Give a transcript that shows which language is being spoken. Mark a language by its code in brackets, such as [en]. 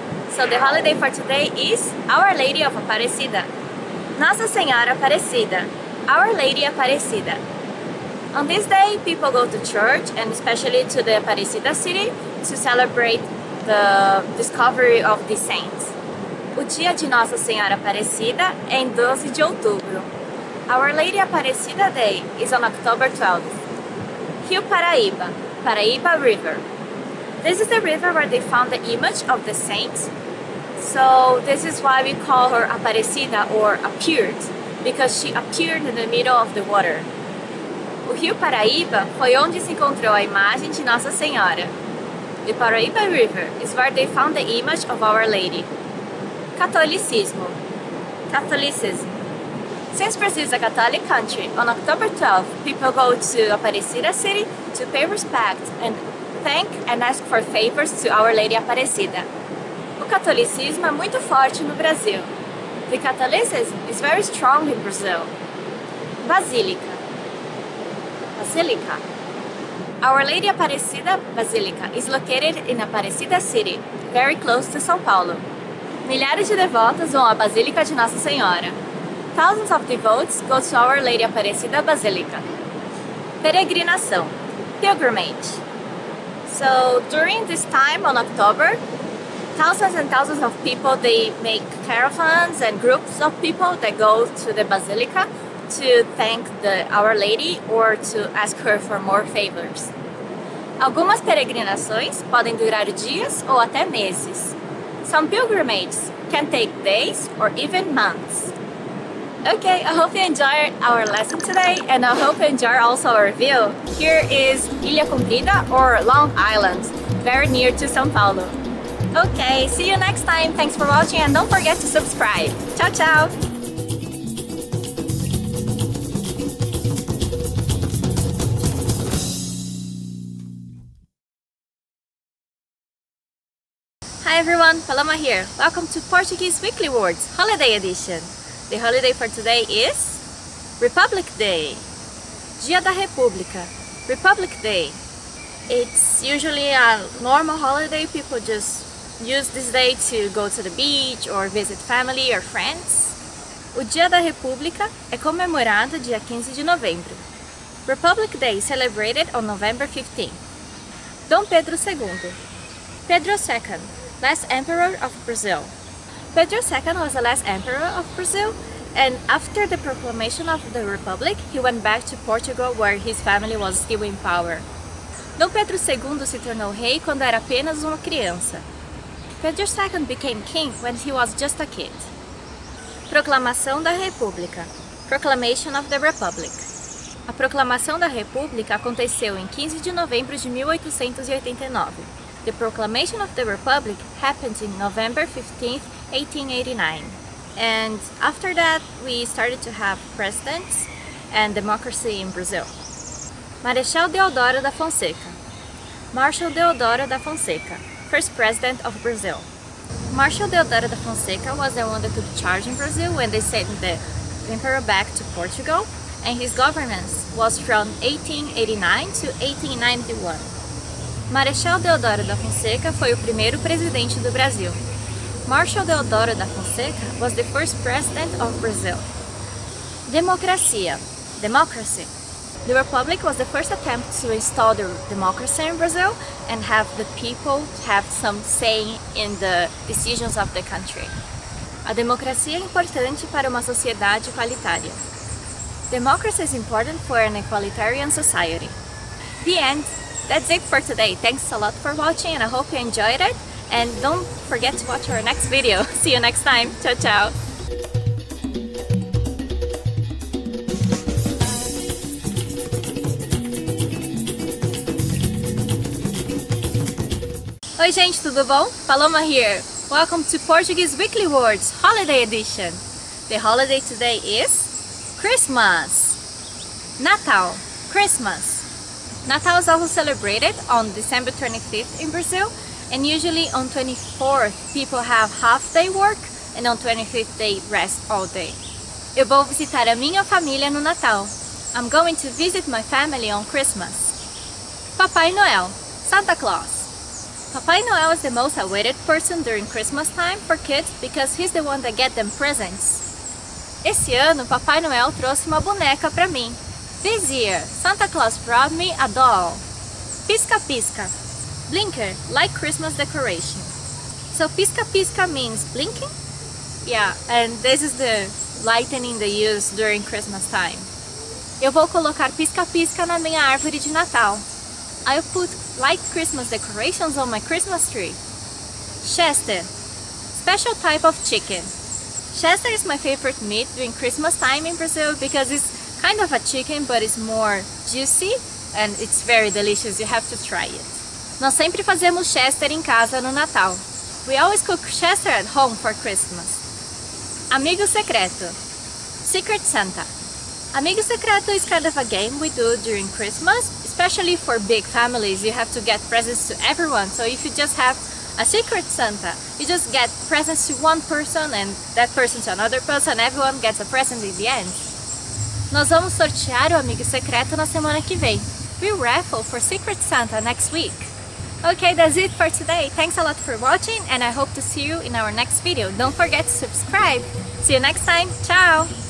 [en] So the holiday for today is Our Lady of Aparecida. Nossa Senhora Aparecida. Our Lady Aparecida. On this day, people go to church, and especially to the Aparecida city, to celebrate the discovery of the saints. [pt] O dia de Nossa Senhora Aparecida é em 12 de outubro. [en] Our Lady Aparecida Day is on October 12th. Rio Paraíba, Paraíba River. This is the river where they found the image of the saints. So this is why we call her Aparecida, or appeared, because she appeared in the middle of the water. [pt] O Rio Paraíba foi onde se encontrou a imagem de Nossa Senhora. [en] The Paraíba River is where they found the image of Our Lady. Catolicismo. Catholicism. Since Brazil is a Catholic country, on October 12th, people go to Aparecida City to pay respect and thank and ask for favors to Our Lady Aparecida. [pt] O catolicismo é muito forte no Brasil. [en] The Catholicism is very strong in Brazil. Basílica. Basílica. Our Lady Aparecida Basílica is located in Aparecida City, very close to São Paulo. [pt] Milhares de devotos vão à Basílica de Nossa Senhora. [en] Thousands of devotees go to Our Lady Aparecida Basílica. [pt] Peregrinação. Pilgrimage. [en] So, during this time on October, thousands and thousands of people, they make caravans and groups of people that go to the Basílica to thank the Our Lady or to ask her for more favors. [pt] Algumas peregrinações podem durar dias ou até meses. [en] Some pilgrimages can take days or even months. Okay, I hope you enjoyed our lesson today, and I hope you enjoy also our view. Here is Ilha Comprida, or Long Island, very near to São Paulo. Okay, see you next time. Thanks for watching, and don't forget to subscribe. [it] Ciao, ciao! [en] Hi everyone, Paloma here. Welcome to Portuguese Weekly Words, Holiday Edition. The holiday for today is Republic Day. Dia da República. Republic Day. It's usually a normal holiday. People just use this day to go to the beach or visit family or friends. [pt] O Dia da República é comemorado dia 15 de novembro. [en] Republic Day is celebrated on November 15th. Dom Pedro II. Pedro II, last emperor of Brazil. Pedro II was the last emperor of Brazil, and after the proclamation of the Republic, he went back to Portugal, where his family was still in power. [pt] Dom Pedro II se tornou rei quando era apenas uma criança. [en] Pedro II became king when he was just a kid. Proclamação da República. Proclamation of the Republic. [pt] A Proclamação da República aconteceu em 15 de novembro de 1889. [en] The Proclamation of the Republic happened in November 15th, 1889. And after that, we started to have presidents and democracy in Brazil. Marechal Deodoro da Fonseca. Marshal Deodoro da Fonseca, first president of Brazil. Marshal Deodoro da Fonseca was the one that took charge in Brazil when they sent the emperor back to Portugal, and his governance was from 1889 to 1891. [pt] Marechal Deodoro da Fonseca foi o primeiro presidente do Brasil. [en] Marshal Deodoro da Fonseca was the first president of Brazil. Democracia. Democracy. The Republic was the first attempt to install the democracy in Brazil and have the people have some say in the decisions of the country. [pt] A democracia é importante para uma sociedade igualitária. [en] Democracy is important for an equalitarian society. The end. That's it for today. Thanks a lot for watching and I hope you enjoyed it. And don't forget to watch our next video. See you next time. Ciao, ciao. [pt] Oi, gente, tudo bom? [en] Paloma here. Welcome to Portuguese Weekly Words Holiday Edition. The holiday today is Christmas. Natal, Christmas. Natal is also celebrated on December 25th in Brazil, and usually on 24th people have half day work and on 25th they rest all day. [pt] Eu vou visitar a minha família no Natal. [en] I'm going to visit my family on Christmas. Papai Noel, Santa Claus. Papai Noel is the most awaited person during Christmas time for kids because he's the one that gets them presents. [pt] Esse ano, Papai Noel trouxe uma boneca para mim. [en] This year, Santa Claus brought me a doll. Pisca pisca. Blinker, like Christmas decoration. So pisca pisca means blinking? Yeah, and this is the lightning they use during Christmas time. [pt] Eu vou colocar pisca pisca na minha árvore de Natal. [en] I'll put light Christmas decorations on my Christmas tree. Chester, special type of chicken. Chester is my favorite meat during Christmas time in Brazil because it's kind of a chicken, but it's more juicy and it's very delicious. You have to try it. [pt] Nós sempre fazemos Chester em casa no Natal. [en] We always cook Chester at home for Christmas. Amigo secreto, Secret Santa. Amigo secreto is kind of a game we do during Christmas, especially for big families. You have to get presents to everyone. So if you just have a secret Santa, you just get presents to one person and that person to another person. Everyone gets a present in the end. [pt] Nós vamos sortear o amigo secreto na semana que vem. [en] We'll raffle for Secret Santa next week. Okay, that's it for today. Thanks a lot for watching and I hope to see you in our next video. Don't forget to subscribe. See you next time. Ciao.